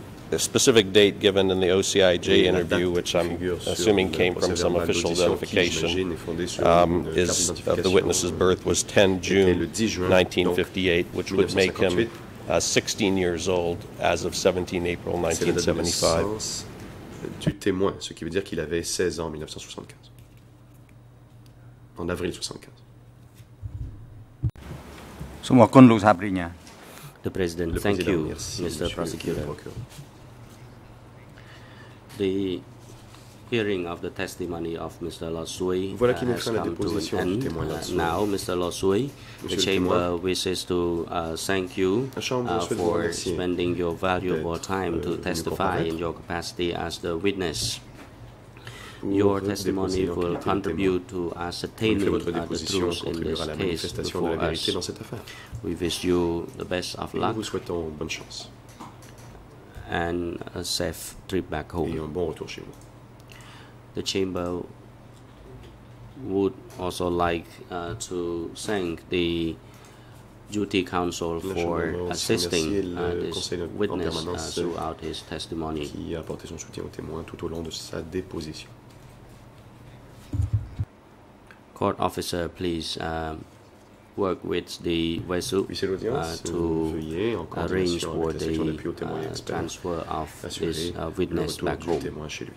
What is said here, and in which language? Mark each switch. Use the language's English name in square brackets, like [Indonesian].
[English] the specific date given in the OCIJ interview, which I'm assuming came from some official notification, is of the witness's birth, was 10 June 1958, which would make him 16 years old as of 17 April 1975. [French] Du témoin, ce qui veut dire qu'il avait 16 ans en 1975, en avril 75. Somo con Luz Abrinha. [English] The President, thank you, Mr. Prosecutor. The hearing of the testimony of Mr. Lat Suoy [French] voilà [English] has come [French] la [English] to an end. Now, Mr. Lat Suoy, the Chamber wishes to thank you for spending your valuable time to testify in your capacity as the witness. Your testimony will contribute to ascertaining the truth in this case before us. We wish you the best of luck. [French] Nous souhaitons bonne chance. [English] And a safe trip back home. [French] Et un bon retour chez vous. [English] The Chamber would also like to thank the Duty Council for assisting this witness throughout his testimony. [French] Qui a apporté son soutien au témoin tout au long de sa déposition. [English] Court officer, please. Work with the WESU to arrange for the transfer of this witness back home.